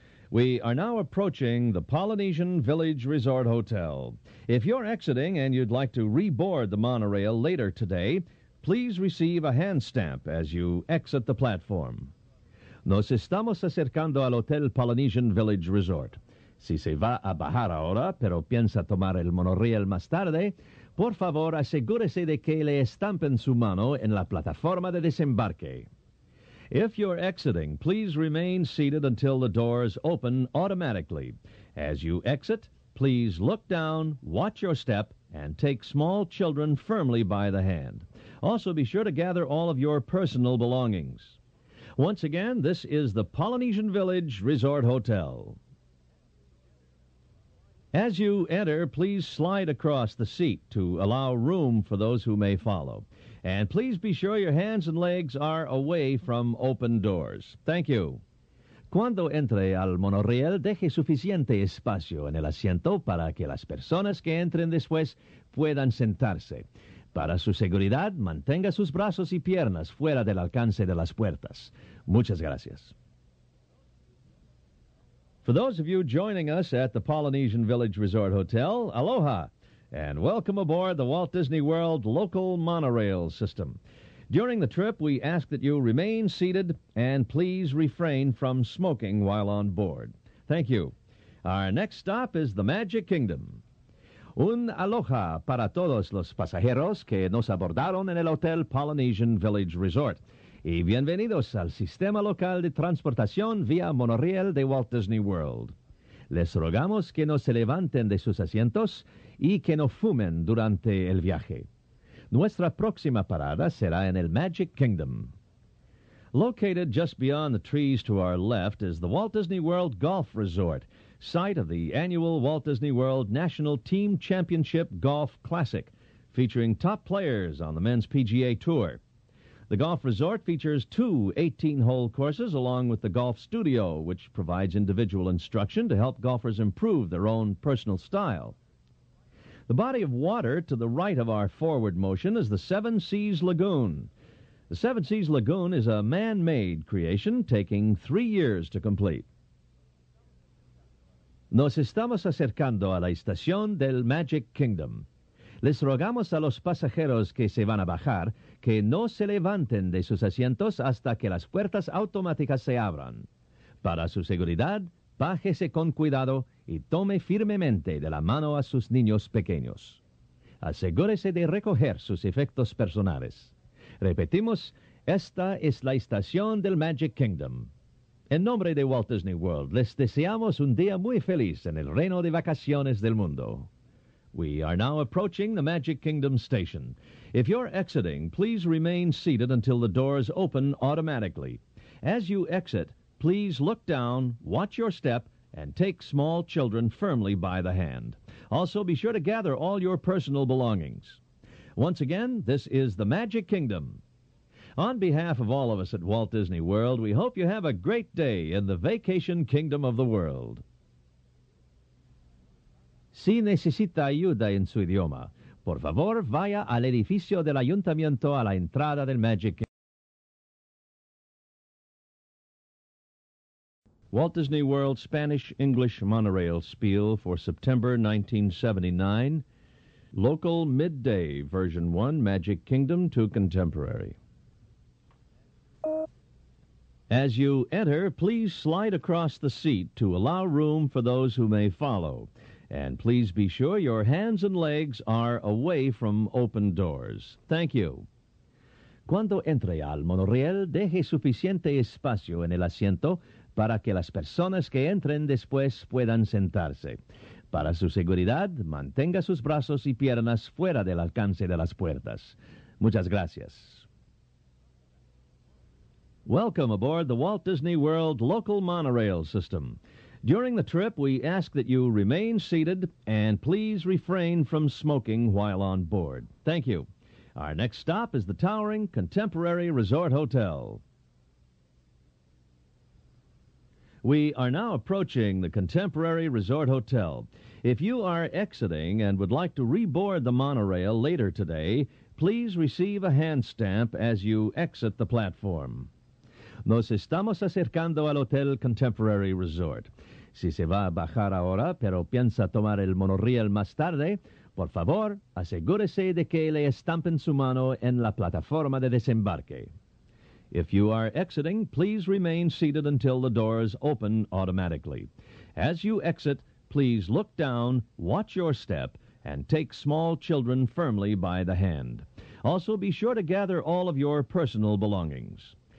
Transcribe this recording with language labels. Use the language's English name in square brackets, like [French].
[English] We are now approaching the Polynesian Village Resort Hotel. If you're exiting and you'd like to reboard the monorail later today, please receive a hand stamp as you exit the platform. [Spanish] Nos estamos acercando al Hotel Polynesian Village Resort. Si se va a bajar ahora, pero piensa tomar el monorail más tarde, por favor, asegúrese de que le estampen su mano en la plataforma de desembarque. [English] If you're exiting, please remain seated until the doors open automatically. As you exit, please look down, watch your step, and take small children firmly by the hand. Also, be sure to gather all of your personal belongings. Once again, this is the Polynesian Village Resort Hotel. As you enter, please slide across the seat to allow room for those who may follow. And please be sure your hands and legs are away from open doors. Thank you. [Spanish] Cuando entre al monorriel, deje suficiente espacio en el asiento para que las personas que entren después puedan sentarse. Para su seguridad, mantenga sus brazos y piernas fuera del alcance de las puertas. Muchas gracias. [English] For those of you joining us at the Polynesian Village Resort Hotel, aloha, and welcome aboard the Walt Disney World local monorail system. During the trip, we ask that you remain seated and please refrain from smoking while on board. Thank you. Our next stop is the Magic Kingdom. [Spanish] Un aloha para todos los pasajeros que nos abordaron en el Hotel Polynesian Village Resort. Y bienvenidos al Sistema Local de Transportación vía Monorriel de Walt Disney World. Les rogamos que no se levanten de sus asientos y que no fumen durante el viaje. Nuestra próxima parada será en el Magic Kingdom. [English] Located just beyond the trees to our left is the Walt Disney World Golf Resort, site of the annual Walt Disney World National Team Championship Golf Classic, featuring top players on the men's PGA Tour. The golf resort features two 18-hole courses along with the golf studio, which provides individual instruction to help golfers improve their own personal style. The body of water to the right of our forward motion is the Seven Seas Lagoon. The Seven Seas Lagoon is a man-made creation taking 3 years to complete. [Spanish] Nos estamos acercando a la estación del Magic Kingdom. Les rogamos a los pasajeros que se van a bajar que no se levanten de sus asientos hasta que las puertas automáticas se abran. Para su seguridad, bájese con cuidado y tome firmemente de la mano a sus niños pequeños. Asegúrese de recoger sus efectos personales. Repetimos, esta es la estación del Magic Kingdom. En nombre de Walt Disney World, les deseamos un día muy feliz en el reino de vacaciones del mundo. [English] We are now approaching the Magic Kingdom station. If you're exiting, please remain seated until the doors open automatically. As you exit, please look down, watch your step, and take small children firmly by the hand. Also, be sure to gather all your personal belongings. Once again, this is the Magic Kingdom. On behalf of all of us at Walt Disney World, we hope you have a great day in the vacation kingdom of the world. [Spanish] Si necesita ayuda en su idioma, por favor, vaya al edificio del ayuntamiento a la entrada del Magic Kingdom. [English] Walt Disney World Spanish English Monorail Spiel for September 1979. Local Midday, Version 1, Magic Kingdom to Contemporary. As you enter, please slide across the seat to allow room for those who may follow. And please be sure your hands and legs are away from open doors. Thank you. [Spanish] Cuando entre al monorriel, deje suficiente espacio en el asiento para que las personas que entren después puedan sentarse. Para su seguridad, mantenga sus brazos y piernas fuera del alcance de las puertas. Muchas gracias. [English] Welcome aboard the Walt Disney World Local Monorail System. During the trip, we ask that you remain seated and please refrain from smoking while on board. Thank you. Our next stop is the towering Contemporary Resort Hotel. We are now approaching the Contemporary Resort Hotel. If you are exiting and would like to reboard the monorail later today, please receive a hand stamp as you exit the platform. [Spanish] Nos estamos acercando al Hotel Contemporary Resort. Si se va a bajar ahora, pero piensa tomar el monorriel más tarde, por favor, asegúrese de que le estampen su mano en la plataforma de desembarque. [English] If you are exiting, please remain seated until the doors open automatically. As you exit, please look down, watch your step, and take small children firmly by the hand. Also, be sure to gather all of your personal belongings.